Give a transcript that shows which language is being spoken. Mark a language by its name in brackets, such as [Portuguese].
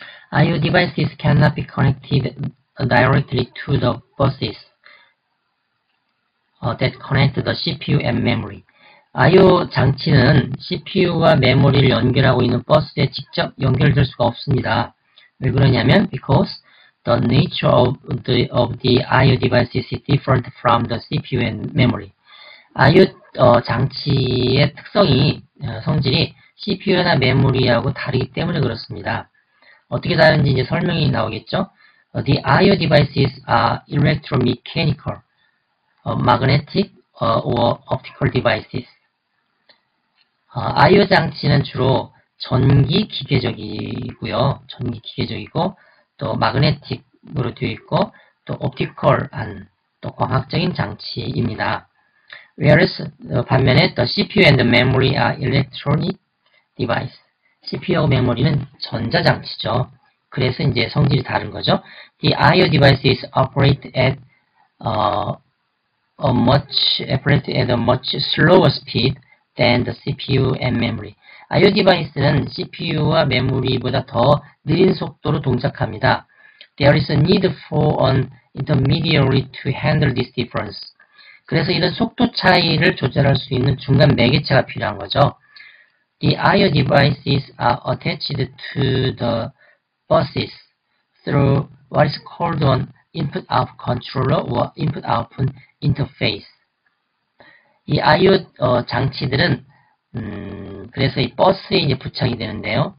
[English] I/O devices cannot be connected directly to the buses that connect the CPU and memory. [Korean] I/O 장치는 CPU와 메모리를 연결하고 있는 버스에 직접 연결될 수가 없습니다. 왜 그러냐면, [English] because the nature of the I/O devices is different from the CPU and memory. [Korean] I/O 장치의 특성이, 성질이 CPU나 메모리하고 다르기 때문에 그렇습니다. 어떻게 다른지 이제 설명이 나오겠죠? [English] The I/O devices are electromechanical, magnetic, or optical devices. [Korean] I/O 장치는 주로 전기 기계적이고요. 전기 기계적이고 또 마그네틱으로 되어 있고 또 옵티컬한 또 광학적인 장치입니다. [English] Whereas [Korean] 반면에 또 [English] CPU and memory are electronic device. [Korean] CPU와 메모리는 전자 장치죠. 그래서 이제 성질이 다른 거죠. [English] The I/O devices operate at a much slower speed than the CPU and memory. [Korean] I/O 디바이스는 CPU와 메모리보다 더 느린 속도로 동작합니다. [English] There is a need for an intermediary to handle this difference. [Korean] 그래서 이런 속도 차이를 조절할 수 있는 중간 매개체가 필요한 거죠. [English] The IO devices are attached to the buses through what is called an input-output controller or input-output interface. [Korean] 이 IO 장치들은 그래서 이 버스에 이제 부착이 되는데요.